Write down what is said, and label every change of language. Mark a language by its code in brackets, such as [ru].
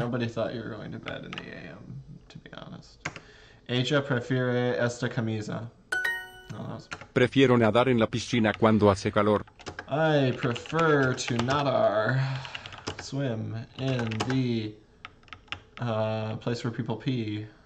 [en] Nobody thought you were going to bed in the AM, to be honest. [es] Ella prefiere esta camisa. Prefiero nadar en la piscina cuando hace calor. [en] I prefer to swim in the place where people pee.